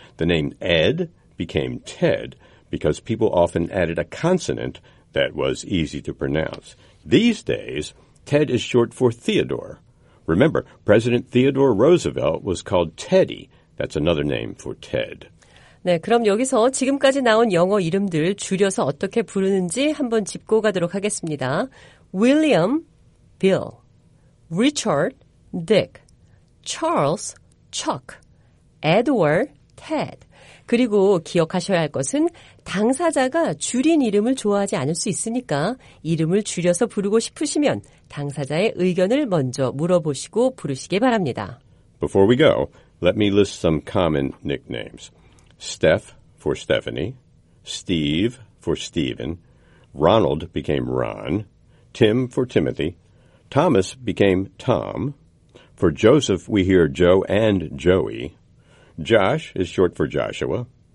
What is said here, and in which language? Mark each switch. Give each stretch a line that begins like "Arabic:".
English: The name Ed became Ted because people often added a consonant that was easy to pronounce. These days, Ted is short for Theodore. Remember, President Theodore Roosevelt was called Teddy. That's another name for Ted.
Korean: 네, 그럼 여기서 지금까지 나온 영어 이름들 줄여서 어떻게 부르는지 한번 짚고 가도록 하겠습니다.
English: William, Bill, Richard, Dick, Charles, Chuck, Edward, Ted.
Korean: 그리고 기억하셔야 할 것은 당사자가 줄인 이름을 좋아하지 않을 수 있으니까 이름을 줄여서 부르고 싶으시면 당사자의 의견을 먼저 물어보시고 부르시기 바랍니다.
English: Before we go, let me list some common nicknames. Steph for Stephanie, Steve for Stephen, Ronald became Ron, Tim for Timothy, Thomas became Tom. For Joseph, we hear Joe and Joey. Josh is short for Joshua.